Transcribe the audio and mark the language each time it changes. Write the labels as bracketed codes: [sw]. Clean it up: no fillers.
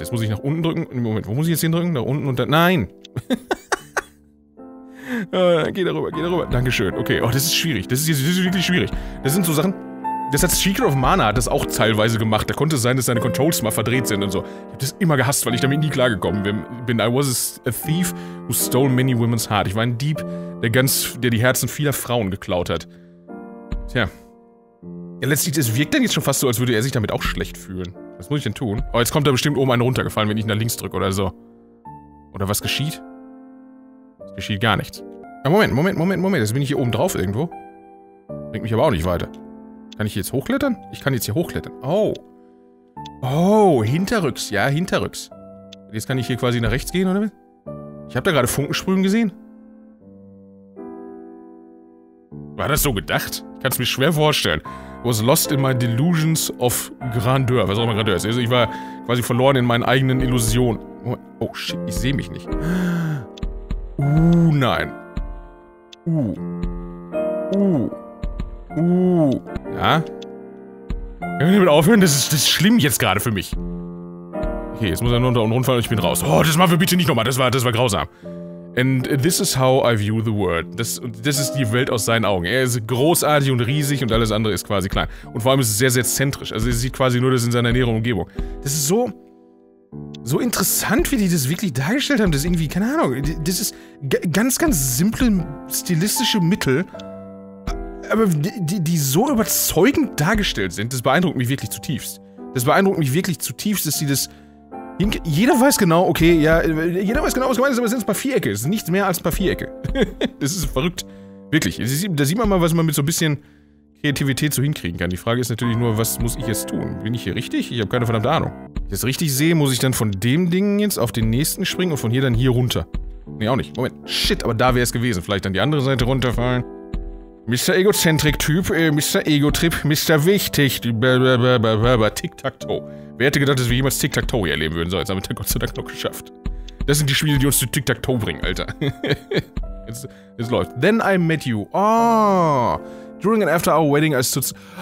[de] Jetzt muss ich nach unten drücken. Moment, wo muss ich jetzt hindrücken? Nach unten und dann. Nein! geh darüber. Dankeschön. Okay, oh, das ist schwierig. Das ist wirklich schwierig. Das sind so Sachen. Das hat Secret of Mana hat das auch teilweise gemacht. Da konnte es sein, dass seine Controls mal verdreht sind und so. Ich hab das immer gehasst, weil ich damit nie klargekommen bin. [en] I was a thief who stole many women's heart. [de] Ich war ein Dieb, der die Herzen vieler Frauen geklaut hat. Tja. Ja, letztlich, es wirkt dann jetzt schon fast so, als würde er sich damit auch schlecht fühlen. Was muss ich denn tun? Oh, jetzt kommt da bestimmt oben einer runtergefallen, wenn ich nach links drücke oder so. Oder was geschieht? Es geschieht gar nichts. Ja, Moment. Jetzt bin ich hier oben drauf irgendwo. Bringt mich aber auch nicht weiter. Kann ich hier jetzt hochklettern? Ich kann jetzt hier hochklettern. Oh. Oh, hinterrücks. Ja, hinterrücks. Jetzt kann ich hier quasi nach rechts gehen, oder? Ich habe da gerade Funkensprühen gesehen. War das so gedacht? Ich kann es mir schwer vorstellen. [en] I was lost in my delusions of grandeur. [de] Was auch immer grandeur ist. Also ich war quasi verloren in meinen eigenen Illusionen. Oh, shit. Ich sehe mich nicht. Nein. Ja? Können wir damit aufhören? Das ist schlimm jetzt gerade für mich. Okay, jetzt muss er nur unter und runterfallen und ich bin raus. Oh, das machen wir bitte nicht nochmal. Das war grausam. [en] And this is how I view the world. [de] Das ist die Welt aus seinen Augen. Er ist großartig und riesig und alles andere ist quasi klein. Und vor allem ist es sehr, sehr zentrisch. Also er sieht quasi nur das in seiner näheren Umgebung. Das ist so interessant, wie die das wirklich dargestellt haben. Das ist irgendwie, keine Ahnung, das ist ganz, ganz simple stilistische Mittel. Aber die so überzeugend dargestellt sind, das beeindruckt mich wirklich zutiefst. Das beeindruckt mich wirklich zutiefst, dass sie das... Jeder weiß genau, okay, ja, jeder weiß genau, was gemeint ist, aber es sind ein paar Vierecke. Es ist nichts mehr als ein paar Vierecke. Das ist verrückt. Wirklich. Da sieht man mal, was man mit so ein bisschen Kreativität so hinkriegen kann. Die Frage ist natürlich nur, was muss ich jetzt tun? Bin ich hier richtig? Ich habe keine verdammte Ahnung. Wenn ich das richtig sehe, muss ich dann von dem Ding jetzt auf den nächsten springen und von hier dann hier runter. Nee, auch nicht. Moment. Shit, aber da wäre es gewesen. Vielleicht dann die andere Seite runterfallen. Mr. Egozentrik-Typ, Mr. Ego-Trip, Mr. Wichtig, Tic-Tac-Toe. Wer hätte gedacht, dass wir jemals Tic-Tac-Toe hier erleben würden? So, jetzt haben wir das Gott sei Dank noch geschafft. Das sind die Spiele, die uns zu Tic-Tac-Toe bringen, Alter. Es läuft. [en] Then I met you. Oh, during and after our wedding, I stood...